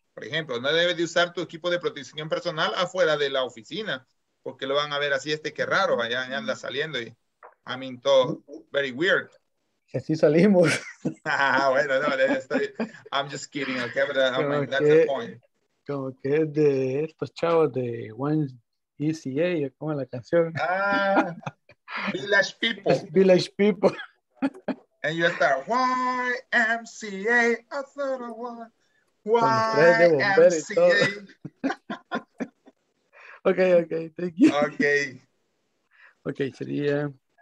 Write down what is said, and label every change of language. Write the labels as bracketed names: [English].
[Spanish] Por ejemplo, no debe de usar tu equipo de protección personal afuera de la oficina. Porque lo van a ver así, este que raro, allá anda saliendo y a mí todo, [English] very weird. [Spanish] Así salimos. [English] Ah, bueno, no, I'm just kidding, okay, but I mean, that's the point. [Spanish] Como que es de estos chavos de One ECA, como la canción. [English] Ah, Village People. Village People. And you start, YMCA, I thought I won. YMCA. Okay, okay, thank you. Okay. [Spanish] Okay, sería.